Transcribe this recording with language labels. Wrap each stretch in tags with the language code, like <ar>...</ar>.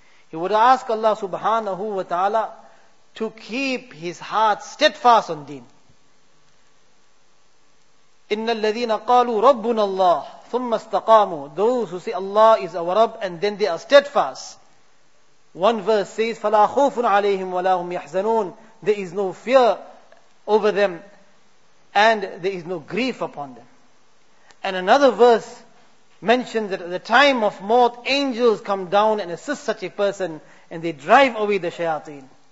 <en>He would ask Allah subhanahu wa ta'ala to keep his heart steadfast on deen.</en> <ar>إِنَّ الَّذِينَ قَالُوا رَبُّنَ اللَّهِ ثُمَّ اسْتَقَامُوا.</ar> <en>Those who say Allah is our Rabb and then they are steadfast. One verse says,</en> <ar>فَلَا خُوفٌ عَلَيْهِمْ وَلَا هُمْ يَحْزَنُونَ.</ar> <en>There is no fear over them and there is no grief upon them. And another verse mentions that at the time of mort, angels come down and assist such a person and they drive away the shayateen.</en>